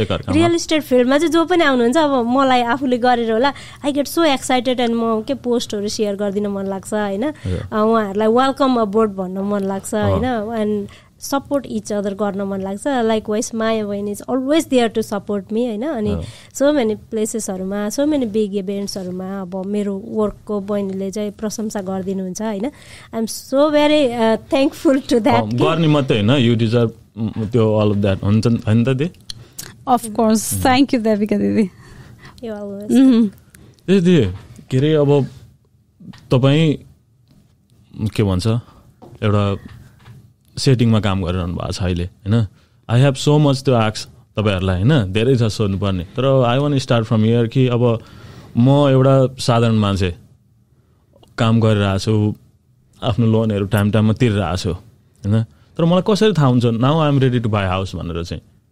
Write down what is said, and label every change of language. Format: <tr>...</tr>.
<ne>real estate फिल्डमा चाहिँ जो पनि आउनुहुन्छ अब मलाई आफूले गरेर होला</ne> <en>I get so excited</en> <ne>and म के पोस्टहरू सेयर गरिदिन मन लाग्छ होइन उहाँहरूलाई</ne> <en>welcome aboard</en> <ne>भन्न मन लाग्छ होइन एन्ड</ne> <en>support each other</en> <ne>गर्न मन लाग्छ</ne> <en>likewise Maya बहिनी is always there to support me</en> <ne>होइन अनि</ne> <en>so many प्लेसेसहरूमा so many big इभेन्ट्सहरूमा</en> <ne>अब मेरो वर्कको बहिनीले चाहिँ प्रशंसा गरिदिनुहुन्छ होइन</ne> <en>I am so very thankful to that</en> <ne>गर्ने मात्रै होइन</ne> <en>you deserve</en> <ne>त्यो</ne> <en>all of that</en> <ne>हुन्छ नि त दिदी</ne> <en>of course thank you Devika दिदी you always</en> <ne>दिदी के अरे अब तपाईँ के भन्छ एउटा सेटिङमा काम गरिरहनु भएको छ अहिले होइन</ne> <en>I have so much</en> <ne>त्यो आक्स तपाईँहरूलाई होइन धेरै छ सोध्नुपर्ने तर</ne> <en>I want start from here</en> <ne>कि अब म एउटा साधारण मान्छे काम गरिरहेको छु आफ्नो लोनहरू टाइम टाइममा तिरिरहेको छु होइन तर मलाई कसरी थाहा हुन्छ</ne> <en>now I am ready to buy house</en> <ne>भनेर चाहिँ</ne>